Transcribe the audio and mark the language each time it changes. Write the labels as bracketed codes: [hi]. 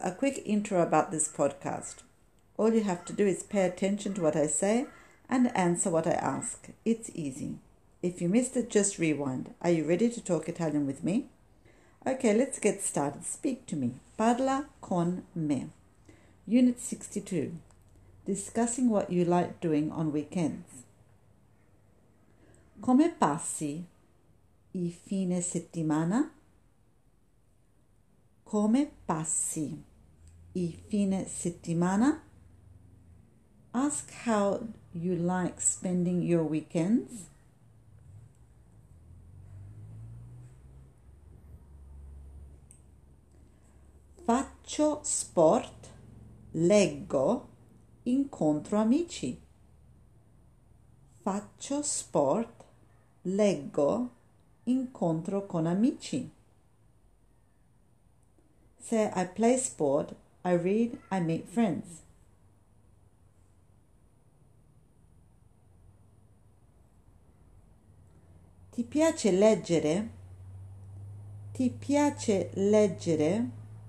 [en] A quick intro about this podcast. All you have to do is pay attention to what I say and answer what I ask. It's easy. If you missed it, just rewind. Are you ready to talk Italian with me? Okay, let's get started. Speak to me. [it] Parla con me. [en] Unit 62. Discussing what you like doing on weekends. [it] Come passi I fine settimana? Come passi I fine settimana? [en] Ask how you like spending your weekends. [it] Faccio sport, leggo, incontro amici. Faccio sport, leggo, incontro con amici. [en] Say, I play sport, I read, I meet friends. [it] Ti piace leggere? Ti piace leggere?